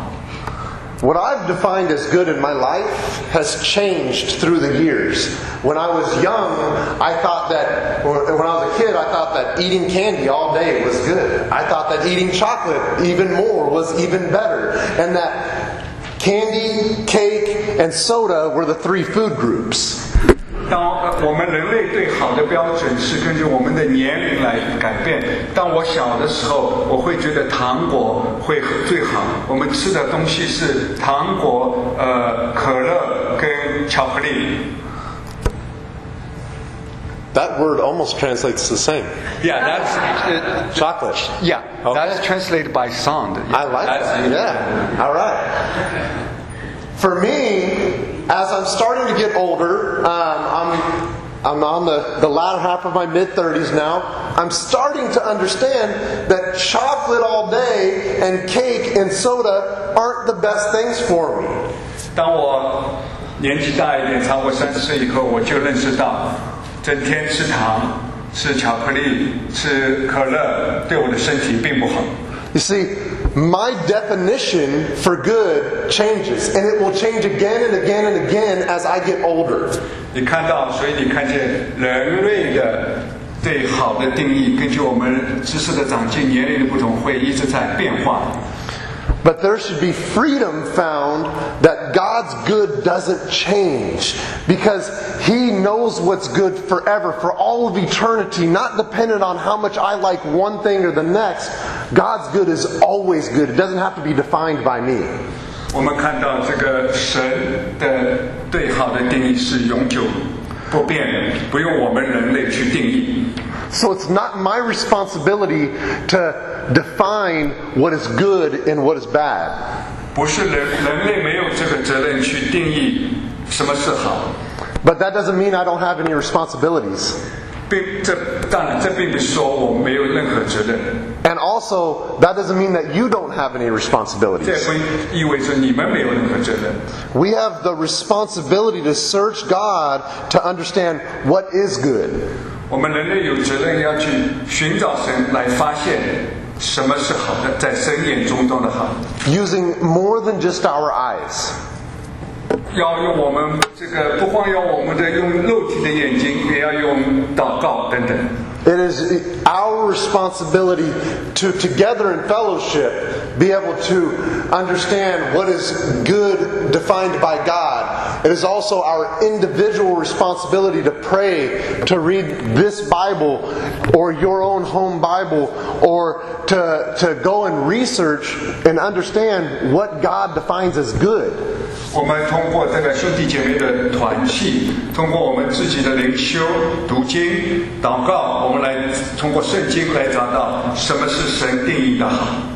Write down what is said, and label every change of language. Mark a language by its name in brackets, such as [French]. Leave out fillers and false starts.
[English] What I've defined as good in my life has changed through the years. When I was young, I thought that, when I was a kid, I thought that eating candy all day was good. I thought that eating chocolate even more was even better. And that candy, cake, and soda were the three food groups. [Chinese] 当我们人类对好的标准是根据我们的年龄来改变。当我小的时候，我会觉得糖果会最好。我们吃的东西是糖果、可乐跟巧克力。 [English] That word almost translates the same. Yeah, that's chocolate. Yeah,、okay. that's translated by sound. I like that. Yeah. All right. For me. As I'm starting to get older, I'm on the latter half of my mid-30s now, I'm starting to understand that chocolate all day and cake and soda aren't the best things for me. [Chinese] 当我年纪大一点，超过30岁以后，我就认识到，整天吃糖、吃巧克力、吃可乐对我的身体并不好。 [English] You see, my definition for good changes, and it will change again and again and again as I get older. [Chinese] 你看到，所以你看见人类的对好的定义，根据我们知识的长进、年龄的不同，会一直在变化。 [English] But there should be freedom found that God's good doesn't change because He knows what's good forever, for all of eternity, not dependent on how much I like one thing or the next. God's good is always good. It doesn't have to be defined by me. [Chinese] 我们看到这个神的对好的定义是永久不变，不用我们人类去定义。 [English] So it's not my responsibility to define what is good and what is bad. [Chinese] 不是人类没有这个责任去定义什么是好。 [English] But that doesn't mean I don't have any responsibilities. [Chinese] 当然这并不是说我没有任何责任。 [English] And also, that doesn't mean that you don't have any responsibilities. [Chinese] 这不意味着你们没有任何责任。 [English] We have the responsibility to search God to understand what is good. [Chinese] 我们人类有责任要去寻找神，来发现什么是好的，在神眼中都是好的。 [English] Using more than just our eyes. [Chinese] 要用我们这个，不光要我们的用肉体的眼睛，也要用祷告等等。 [English] It is our responsibility to, together in fellowship, be able to understand what is good defined by God. It is also our individual responsibility to pray, to read this Bible, or your own home Bible, or to go and research and understand what God defines as good. [Chinese] 我们通过这个兄弟姐妹的团契，通过我们自己的灵修、读经、祷告，我们来通过圣经来找到什么是神定义的好。